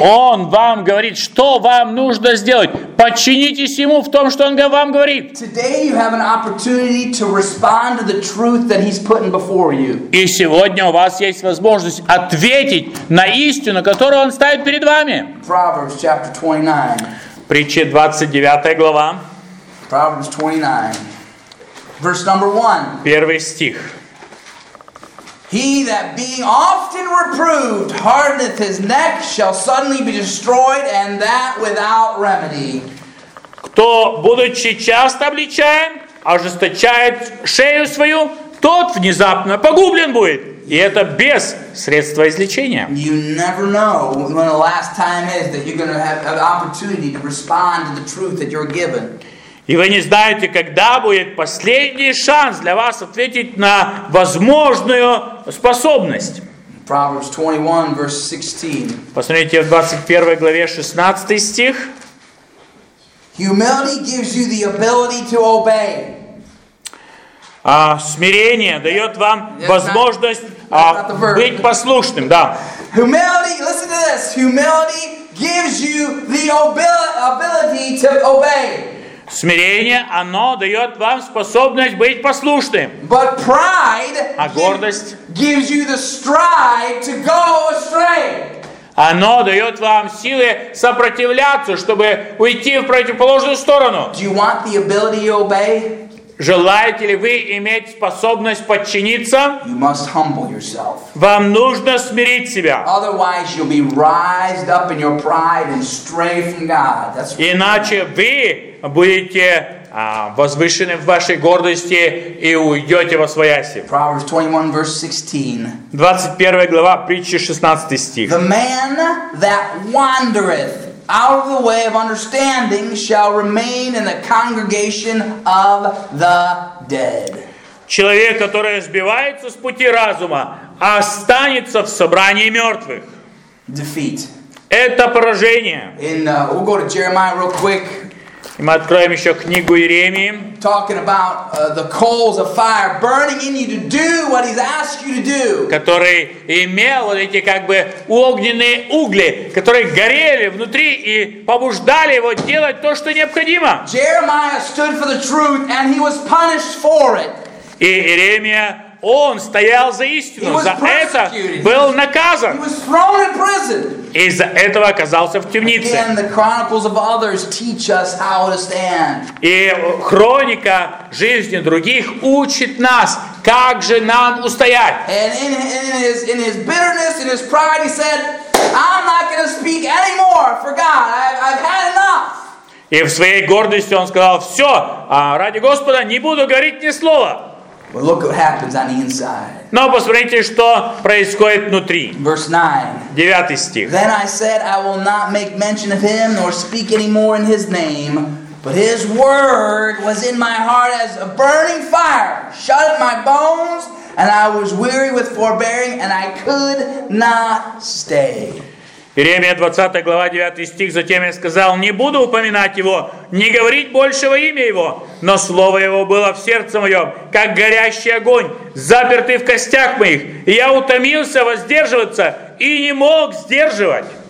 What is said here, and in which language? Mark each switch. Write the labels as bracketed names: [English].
[Russian] Он вам говорит, что вам нужно сделать. Подчинитесь ему в том, что он вам говорит. [English] Today you have an opportunity to respond to the truth that he's putting before you. [Russian] И сегодня у вас есть возможность ответить на истину, которую он ставит перед вами. [English] Proverbs chapter 29. [Russian] Притчи 29 глава. [English] Proverbs 29. Verse number one. [Russian] Первый стих. [English] He that being often reproved hardeneth his neck shall suddenly be destroyed, and that without remedy. [Russian] Кто, будучи часто обличаем, ожесточает шею свою, тот внезапно погублен будет. И это без средства излечения. [English] You never know when the last time is that you're going to have an opportunity to respond to the truth that you're given. [Russian] И вы не знаете, когда будет последний шанс для вас ответить на возможную способность. [English] Proverbs 21, verse 16. [Russian] Посмотрите в 21 главе 16 стих. [English] Humility gives you the ability to obey. [Russian] Смирение дает вам возможность быть послушным. Да. [English] Humility, listen to this. Humility gives you the ability to obey. [Russian] Смирение, оно дает вам способность быть послушным. [English] But pride, [Russian] а гордость, [English] gives you the strive to go astray. [Russian] Оно дает вам силы сопротивляться, чтобы уйти в противоположную сторону. [English] Do you want the ability to obey? [Russian] Желаете ли вы иметь способность подчиниться? [English] You must humble yourself. [Russian] Вам нужно смирить себя. [English] Otherwise, you'll be raised up in your pride and stray from God. That's right. [Russian] Иначе вы будете возвышены в вашей гордости и уйдете во своясе. [English] Proverbs 21, verse 16. [Russian] 21 глава, притчи 16 стих. [English] The man that wandereth out of the way of understanding shall remain in the congregation of the dead. [Russian] Человек, который сбивается с пути разума, останется в собрании мертвых. [English] Defeat. [Russian] Это поражение. [English] We'll go to Jeremiah real quick. [Russian] И мы откроем еще книгу Иеремии. [English] Talking about the coals of fire burning in you to do what he's asked you to do. [Russian] Который имел вот эти как бы огненные угли, которые горели внутри и побуждали его делать то, что необходимо. [English] Jeremiah stood for the truth and he was punished for it. [Russian] И Иеремия, он стоял за истину, за это был наказан. [English] He was thrown in prison. [Russian] Из-за этого оказался в темнице. [English] Again, the chronicles of others teach us how to stand. [Russian] И хроника жизни других учит нас, как же нам устоять. [English] And in his bitterness, in his pride, he said, I'm not going to speak anymore for God. I've had enough. [Russian] И в своей гордости он сказал, все, ради Господа не буду говорить ни слова. [English] But look what happens on the inside. [Russian] Но посмотрите, что происходит внутри. [English] Verse 9. [Russian] 9 стих. [English] Then I said, I will not make mention of him, nor speak any more in his name. But his word was in my heart as a burning fire, shut up my bones, and I was weary with forbearing, and I could not stay. [Russian] Иеремия 20 глава 9 стих. Затем я сказал: не буду упоминать его, не говорить больше во имя его, но слово его было в сердце моем, как горящий огонь, запертый в костях моих, и я утомился воздерживаться и не мог сдерживать.